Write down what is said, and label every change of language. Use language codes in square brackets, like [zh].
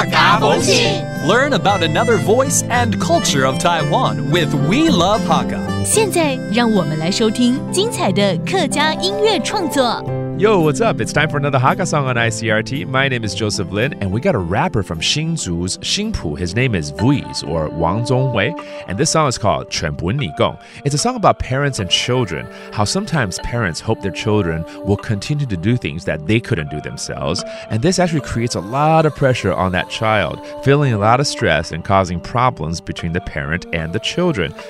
[en] Learn about another voice and culture of Taiwan with We Love Hakka. [zh] 现在让我们来收听精彩的客家音乐创作。 [en] Yo, what's up? It's time for another Hakka song on ICRT. My name is Joseph Lin, and we got a rapper from Xinzhu's Xinpu. His name is Vuize, or 王鍾惟, and this song is called 全本你講. It's a song about parents and children, how sometimes parents hope their children will continue to do things that they couldn't do themselves, and this actually creates a lot of pressure on that child, feeling a lot of stress and causing problems between the parent and the children.